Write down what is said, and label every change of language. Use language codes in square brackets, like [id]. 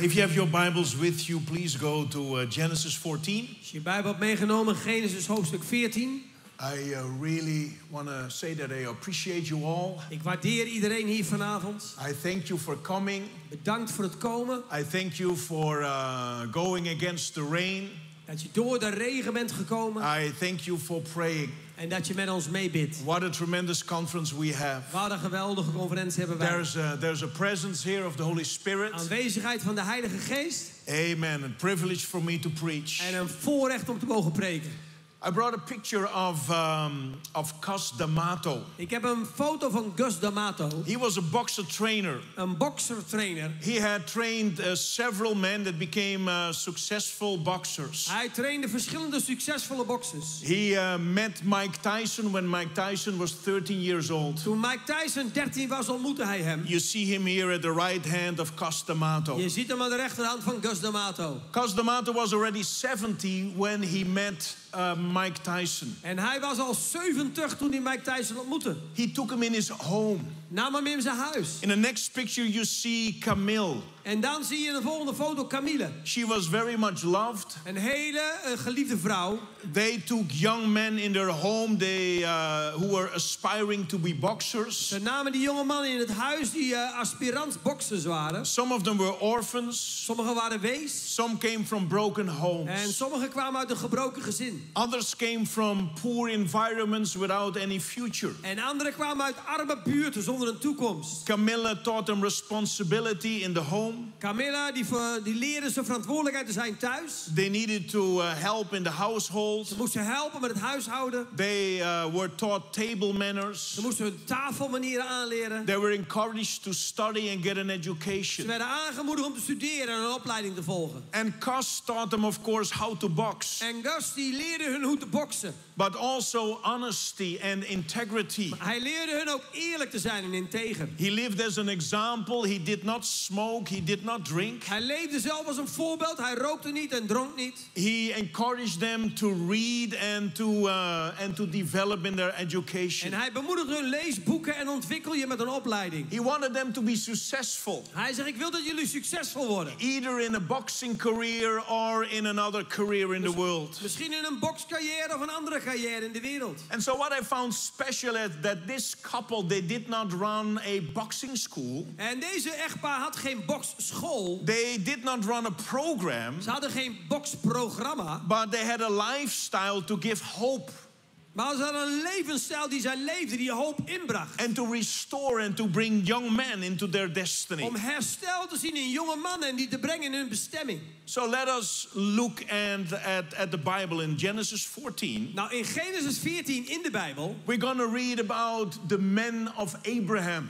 [en] If you have your Bibles with you, please go to Genesis 14. [nl] Als je Bijbel hebt meegenomen, Genesis hoofdstuk 14. [en] I really want to say that I appreciate you all. [nl] Ik waardeer iedereen hier vanavond. [en] I thank you for coming. [nl] Bedankt voor het komen. [en] I thank you for going against the rain. [nl] Dat je door de regen bent gekomen. [en] I thank you for praying. [nl] En dat je met ons meebidt. [en] What a tremendous conference we have. [nl] Wat een geweldige conferentie hebben wij. [en] There's a presence here of the Holy Spirit. [nl] Aanwezigheid van de Heilige Geest. [en] Amen. A privilege for me to preach. [nl] En een voorrecht om te mogen preken. [en] I brought a picture of Gus D'Amato. [nl] Ik heb een foto van Gus D'Amato. [en] He was a boxer trainer. [nl] Een boxer trainer. [en] He had trained several men that became successful boxers. [nl] Hij trainde verschillende succesvolle boxers. [en] He met Mike Tyson when Mike Tyson was 13 years old. [nl] Toen Mike Tyson 13 was, ontmoette hij hem. [en] You see him here at the right hand of Gus D'Amato. [nl] Je ziet hem aan de rechterhand van Gus D'Amato. [en] Gus D'Amato was already 70 when he met Mike Tyson. [nl] En hij was al 70 toen hij Mike Tyson ontmoette. [en] He took him in his home. [nl] Nam hem in zijn huis. [en] In the next picture you see Camille. [nl] En dan zie je in de volgende foto Camille. [en] She was very much loved. [nl] Een hele geliefde vrouw. [en] They took young men in their home who were aspiring to be boxers. [nl] Ze namen die jonge mannen in het huis die aspirant boxers waren. [en] Some of them were orphans. [nl] Sommigen waren wees. [en] Some came from broken homes. [nl] En sommigen kwamen uit een gebroken gezin. [en] Others came from poor environments without any future. [nl] En anderen kwamen uit arme buurten zonder een toekomst. [en] Camille taught them responsibility in the home. [nl] Camilla, die leerde ze verantwoordelijkheid te zijn thuis. [en] They needed to help in the household. [nl] Ze moesten helpen met het huishouden. [en] They were taught table manners. [nl] Ze moesten hun tafelmanieren aanleren. [en] They were encouraged to study and get an education. [nl] Ze werden aangemoedigd om te studeren en een opleiding te volgen. [en] And Gus taught them, of course, how to box. [nl] En Gus die leerde hun hoe te boksen. [en] But also honesty and integrity. [nl] Maar hij leerde hun ook eerlijk te zijn en integer. [en] He lived as an example. He did not smoke. He did not drink. [nl] Hij leefde zelf als een voorbeeld. Hij rookte niet en dronk niet. [en] He encouraged them to read and to develop in their education. [nl] En hij bemoedigde hun lees boeken en ontwikkel je met een opleiding. [en] He wanted them to be successful. [nl] Hij zegt: ik wil dat jullie succesvol worden. [en] Either in a boxing career or in another career in the world. [nl] Misschien in een boxcarrière of een andere carrière in de wereld. [en] And so what I found special is that this couple, they did not run a boxing school. [nl] En deze echtpaar had geen boxschool. [en] They did not run a program. [nl] Ze hadden geen boxprogramma. [en] But they had a lifestyle to give hope. [nl] Maar ze hadden een levensstijl die zij leefde, die hoop inbracht. [en] And to restore and to bring young men into their destiny. [nl] Om herstel te zien in jonge mannen en die te brengen in hun bestemming. [en] So let us look at the Bible in Genesis 14. [nl] Nou, in Genesis 14 in de Bijbel. [en] We're going to read about the men of Abraham.